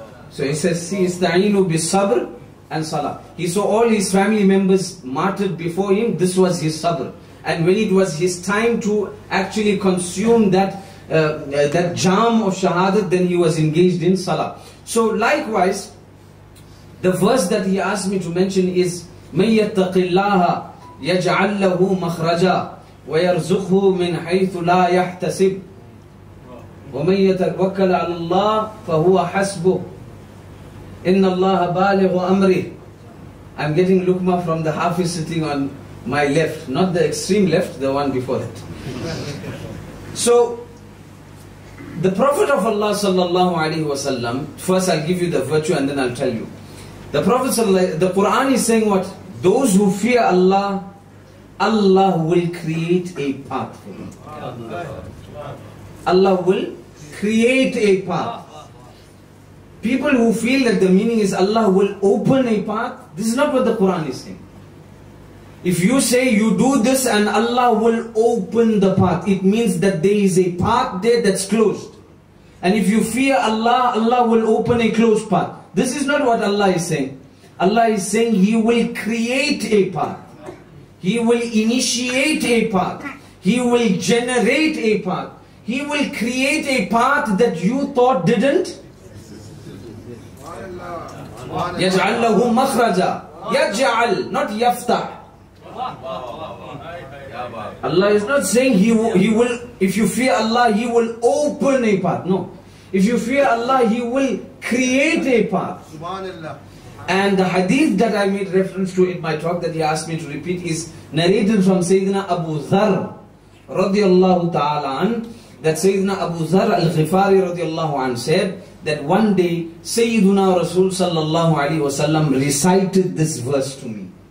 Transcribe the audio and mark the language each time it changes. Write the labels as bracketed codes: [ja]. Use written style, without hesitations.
[en] So he says, see, [ar] ista'inu bis sabr [en] and Salah. He saw all his family members martyred before him. This was his sabr. And when it was his time to actually consume that jam of shahadat, then he was engaged in Salah. So likewise, the verse that he asked me to mention is, [ar] مَنْ يَتَّقِ اللَّهَ يَجْعَلْ لَهُ مَخْرَجًا وَيَرْزُقْهُ مِنْ حَيْثُ لَا يَحْتَسِبْ وَمَنْ يَتَوَكَّلْ عَلَى اللَّهِ فَهُوَ حَسْبُهُ إِنَّ اللَّهَ بَالِغُ أَمْرِهِ. [en] I'm getting lukma from the hafiz sitting on my left, not the extreme left, the one before it. So, the Prophet of Allah sallallahu alayhi wa sallam, first I'll give you the virtue and then I'll tell you. The Prophet sallallahu, the Quran is saying what? Those who fear Allah, Allah will create a path for them. Allah will create a path. People who feel that the meaning is Allah will open a path, this is not what the Quran is saying. If you say you do this and Allah will open the path, it means that there is a path there that's closed. And if you fear Allah, Allah will open a closed path. This is not what Allah is saying. Allah is saying He will create a path. He will initiate a path. He will generate a path. He will create a path that you thought didn't. [ar] يَجْعَلْ لَهُ مَخْرَجًا يَجْعَلْ not يَفْتَحْ. [en] Allah is not saying he will, if you fear Allah, He will open a path. No. If you fear Allah, He will create a path. And the hadith that I made reference to in my talk that he asked me to repeat is narrated from Sayyidina Abu Dharr radiallahu ta'ala an, that Sayyidina Abu Dharr al-Ghifari radiallahu an said that one day Sayyiduna Rasul sallallahu alayhi wa sallam recited this verse to me.